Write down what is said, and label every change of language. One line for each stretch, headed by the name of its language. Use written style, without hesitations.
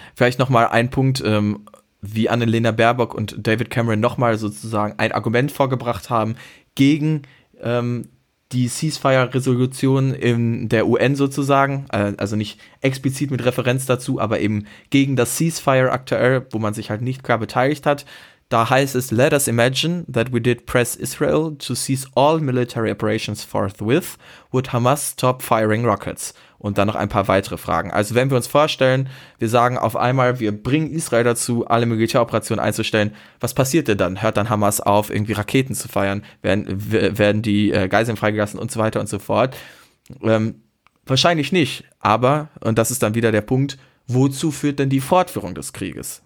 German: Vielleicht nochmal ein Punkt, wie Annalena Baerbock und David Cameron nochmal sozusagen ein Argument vorgebracht haben gegen die Ceasefire-Resolution in der UN sozusagen, also nicht explizit mit Referenz dazu, aber eben gegen das Ceasefire aktuell, wo man sich halt nicht klar beteiligt hat. Da heißt es,
English: let us imagine that we did press Israel to cease all military operations forthwith, would Hamas stop firing rockets?
German: Und dann noch ein paar weitere Fragen. Also wenn wir uns vorstellen, wir sagen auf einmal, wir bringen Israel dazu, alle Militäroperationen einzustellen, was passiert denn dann? Hört dann Hamas auf, irgendwie Raketen zu feiern? Werden die Geiseln freigelassen und so weiter und so fort? Wahrscheinlich nicht, aber, und das ist dann wieder der Punkt, wozu führt denn die Fortführung des Krieges?